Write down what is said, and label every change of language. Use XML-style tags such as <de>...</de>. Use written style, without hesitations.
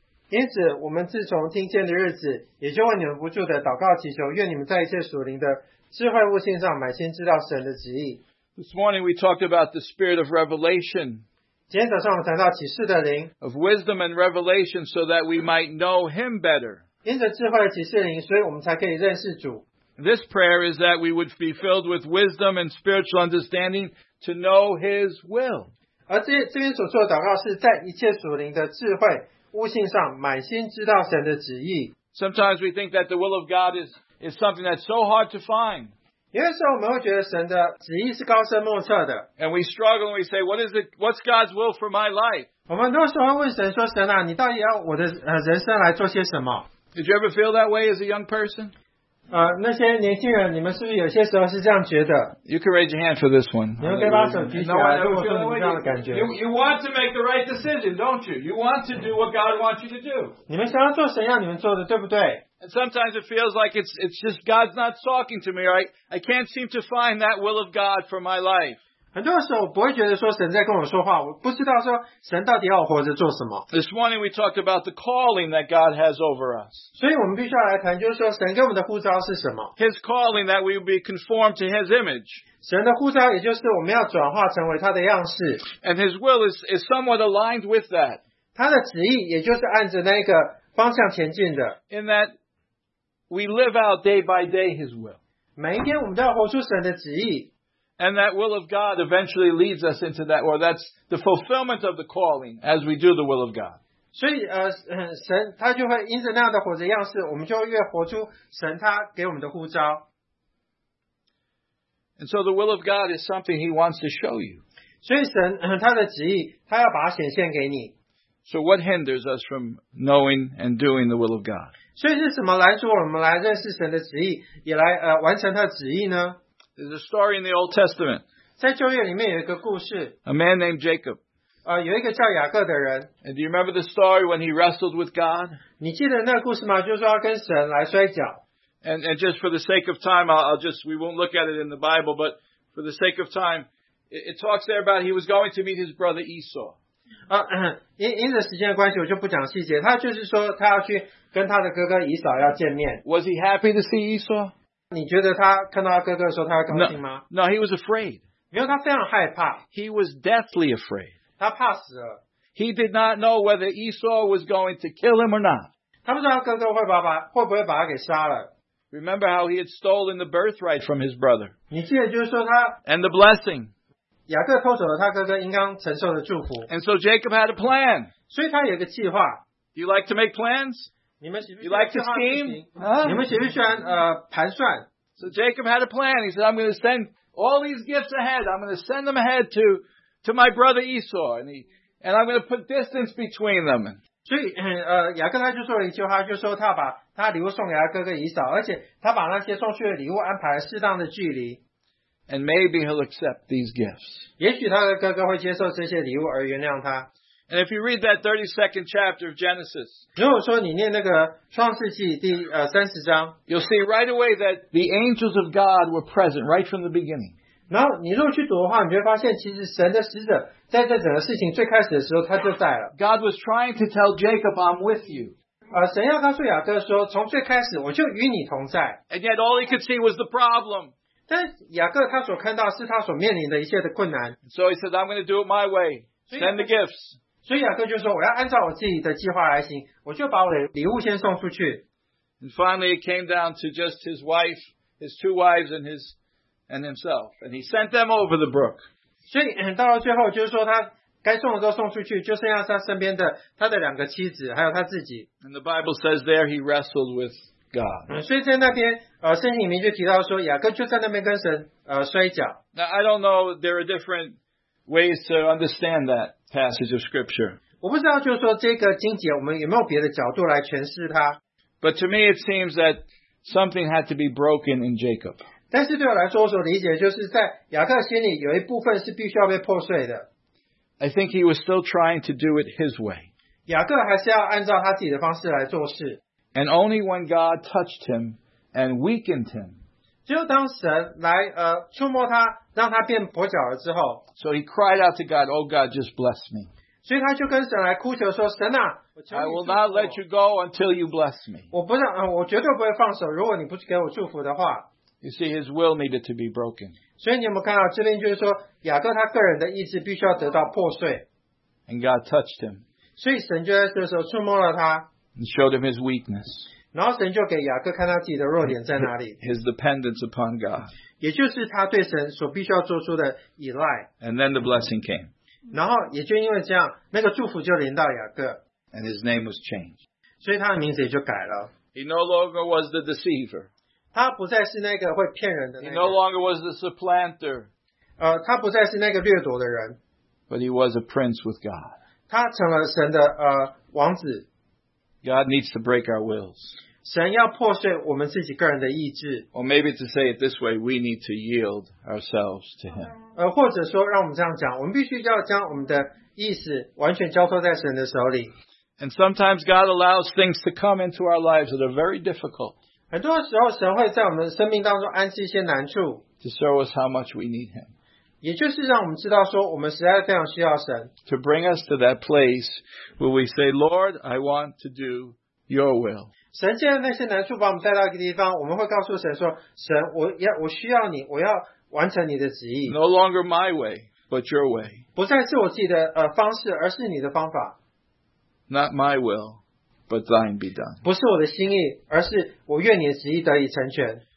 <zh>因此我们自从听见的日子也就为你们不住的祷告祈求愿你们在一切属灵的智慧悟性上满心知道神的旨意。</zh> <en>This morning we talked about the spirit of revelation.</en> <zh>今天早上我们谈到启示的灵。</zh> <en>Of wisdom and revelation so that we might know him better.</en> <zh>因着智慧的启示灵所以我们才可以认识主。</zh> <en>This prayer is that we would be filled with wisdom and spiritual understanding to know his will.</en> <zh>而这边所做的祷告是在一切属灵的智慧悟性上满心知道神的旨意。</zh> <en>Sometimes we think that the will of God is something that's so hard to find.</en> <zh>有时候我们会觉得神的旨意是高深莫测的。</zh> <en>And we struggle and we say, what's God's will for my life?</en> <zh>我们都时候问神说，神啊，你到底要我的人生来做些什么？</zh> <en>Did you ever feel that way as a young person?</en> <zh>那些年轻人，你们是不是有些时候是这样觉得？</zh> <en>You can raise your hand for this one.</en> <zh>你们可以把手举起来。</zh> <en>No, I never feel that way.</en> <zh>这样的感觉。</zh> <en>You want to make the right decision, don't you? You want to do what God wants you to do.</en> <zh>你们想要做神要你们做的，对不对？</zh> <en>And sometimes it feels like it's just God's not talking to me, right? I can't seem to find that will of God for my life.</en> <zh>很多时候不会觉得说神在跟我说话，我不知道说神到底要我活着做什么。</zh> <en>This morning we talked about the calling that God has over us.</en> <zh>所以我们必须要来谈，就是说神给我们的呼召是什么。</zh> <en>His calling that we be conformed to His image.</en> <zh>神的呼召也就是我们要转化成为他的样式。</zh> <en>And His will is somewhat aligned with that.</en> <zh>他的旨意也就是按着那个方向前进的。</zh> <en>In that we live out day by day His will.</en> <zh>每一天我们都要活出神的旨意。</zh> <en>And that will of God eventually leads us into that, or that's the fulfillment of the calling as we do the will of God.</en> <zh>所以神他就会因着那样的活着样式，我们就越活出神他给我们的呼召。</zh> <en>And so the will of God is something He wants to show you.</en> <zh>所以神他的旨意，他要把它显现给你。</zh> <en>So what hinders us from knowing and doing the will of God?</en> <zh>所以是什么拦阻我们来认识神的旨意，也来完成他的旨意呢？</zh> <en>There's a story in the Old Testament.</en> <zh>在旧约里面有一个故事。</zh> <en>A man named Jacob.</en> <zh>有一个叫雅各的人。</zh> <en>And do you remember the story when he wrestled with God?</en> <zh>你记得那个故事吗？就是说要跟神来摔跤。</zh> <en>And just for the sake of time, we won't look at it in the Bible, but for the sake of time, it talks there about he was going to meet his brother Esau.</en> <zh>因着时间的关系，我就不讲细节。他就是说他要去跟他的哥哥以扫要见面。</zh> <en>Was he happy to see Esau?</en> <zh>你觉得他看到他哥哥的时候，他会高兴吗？</zh> <en>No, he was afraid.</en> <zh>因为他非常害怕。</zh> <en>He was deathly afraid.</en> <zh>他怕死了。</zh> <en>He did not know whether Esau was going to kill him or not.</en> <zh>他不知道哥哥会不会把他给杀了。</zh> <en>Remember how he had stolen the birthright from his brother.</en> <zh>你记得就是说他。</zh> <en>And the blessing.</en> <zh>雅各偷走了他哥哥应当承受的祝福。</zh> <en>And so Jacob had a plan.</en> <zh>所以他有个计划。</zh> <en>Do you like to make plans? You like to scheme?</en> <zh>你们喜不喜欢盘算</zh> <en>？So Jacob had a plan. He said, "I'm going to send all these gifts ahead. I'm going to send them ahead to my brother Esau, and I'm going to put distance between them."</en> <zh>所以雅各他就做了一句话，就说他把他礼物送给他哥哥以扫，而且他把那些送去的礼物安排了适当的距离。</zh> <en>And maybe he'll accept these gifts.</en> <zh>也许他的哥哥会接受这些礼物而原谅他。</zh> <en>And if you read that 32nd chapter of Genesis,</en> <zh>如果说你念那个创世纪第三十章</zh> <en>，you'll see right away that the angels of God were present right from the beginning.</en> <zh>然后你如果去读的话，你就会发现其实神的使者在这整个事情最开始的时候他就在了。</zh> <en>God was trying to tell Jacob, "I'm with you."</en> <zh>神要告诉雅各说，从最开始我就与你同在。</zh> <en>And yet all he could see was the problem.</en> <zh>但雅各他所看到是他所面临的一切的困难。</zh> <en>So he said, "I'm going to do it my way. Send the gifts."</en> <zh>所以雅各就说我要按照我自己的计划来行，我就把我的礼物先送出去。</zh> <en>And finally it came down to just his wife, his two wives and himself. And he sent them over the brook.</en> <zh>所以到了最后就是说他该送的都送出去，就剩下他身边的他的两个妻子还有他自己。</zh> <en>And the Bible says there he wrestled with God.</en> <zh>所以在那边圣经里面就提到说雅各就在那边跟神摔跤。</zh> <en>Now I don't know, there are different ways to understand that. Passage of scripture.</en> <zh>我不知道，就是说这个经节，我们有没有别的角度来诠释它</zh> <en>？But to me, it seems that something had to be broken in Jacob.</en> <zh>但是对我来说，我所理解就是在雅各心里有一部分是必须要被破碎的。</zh> <en>I think he was still trying to do it his way.</en> <zh>雅各还是要按照他自己的方式来做事。</zh> <en>And only when God touched him and weakened him.</en> <zh>只有当神来触摸他。让他变跛脚了之后</zh> <en>，So he cried out to God, "Oh God, just bless me."</en> <zh>所以他就跟神来哭求说：“神啊</zh> <en>，I will not let you go until you bless me."</en> <zh>我不让，我绝对不会放手。如果你不给我祝福的话</zh> <en>，You see, his will needed to be broken.</en> <zh>所以你有没有看到这边就是说，雅各他个人的意志必须要得到破碎</zh> <en>，And God touched him.</en> <zh>所以神就在这时候触摸了他</zh> <en>，And showed him his weakness.</en> <zh>然后神就给雅各看他自己的弱点在哪里</zh> <en>，His dependence upon God.</en> <zh>也就是他对神所必须要做出的依赖。</zh> <en>And then the blessing came.</en> <zh>然后也就因为这样，那个祝福就临到雅各。</zh> <en>And his name was changed.</en> <zh>所以他的名字也就改了。</zh> <en>He no longer was the deceiver.</en> <zh>他不再是那个会骗人的那个。</zh> <en>He no longer was the supplanter.</en> <zh>他不再是那个掠夺的人。</zh> <en>But he was a prince with God.</en> <zh>他成了神的王子。</zh> <en>God needs to break our wills.</en> <zh>神要破碎我们自己个人的意志。</zh> <en>Or maybe to say it this way, we need to yield ourselves to Him.</en> <zh>或者说让我们这样讲，我们必须要将我们的意思完全交托在神的手里。</zh> <en>And sometimes God allows things to come into our lives that are very difficult.</en> <zh>很多时候神会在我们生命当中安置一些难处。</zh> <en>To show us how much we need Him.</en> <zh>也就是让我们知道说我们实在非常需要神。</zh> <en>To bring us to that place where we say, Lord, I want to do your will.</en> <zh>神既然在那些难处把我们带到一个地方，我们会告诉神说，神，我需要你，我要完成你的旨意。</zh> <en>No longer my way, but your way.</en> <zh>不再是我自己的方式，而是你的方法。</zh> <en>Not my will, but thine be done.</en> <zh>不是我的心意，而是我愿你的旨意得以成全。</zh>